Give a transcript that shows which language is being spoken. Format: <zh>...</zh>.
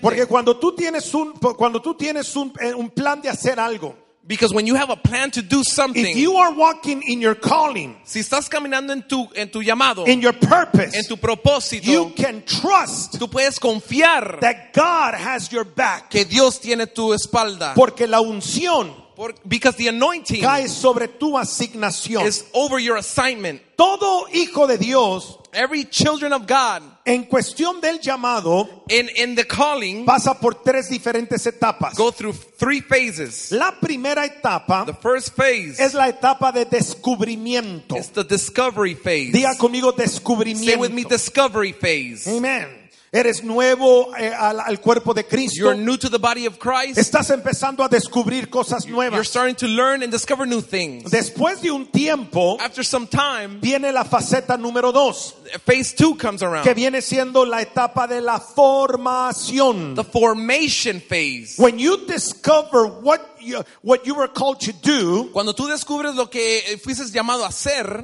<es>Porque cuando tú tienes un plan de hacer algo.</es> <en>Because when you have a plan to do something, if you are walking in your calling,</en> <es>si estás caminando en tu llamado,</es> <en>in your purpose,</en> <es>en tu propósito,</es> <en>you can trust,</en> <es>tú puedes confiar,</es> <en>that God has your back,</en> <es>que Dios tiene tu espalda, porque la unción,</es> <en>because the anointing,</en> <es>cae sobre tu asignación,</es> <en>is over your assignment.</en> <es>Todo hijo de Dios,</es> <en>every children of God,</en> <es>en cuestión del llamado,</es> <en>in the calling,</en> <es>pasa por tres diferentes etapas.</es> <en>Go through three phases.</en> <es>La primera etapa,</es> <en>the first phase,</en> <es>es la etapa de descubrimiento.</es> <en>It's the discovery phase.</en> <es>Diga conmigo descubrimiento.</es> <en>Say with me discovery phase.</en> <es>Amen. Eres nuevo al cuerpo de Cristo.</es> <en>You're new to the body of Christ.</en> <es>Estás empezando a descubrir cosas nuevas.</es> <en>You're starting to learn and discover new things.</en> <es>Después de un tiempo,</es> <en>after some time,</en> <es>viene la faceta número dos.</es> <en>Phase two comes around.</en> <es>Que viene siendo la etapa de la formación.</es> <en>The formation phase. When you discover what you were called to do,</en> <es>cuando tú descubres lo que fuiste llamado a hacer,</es>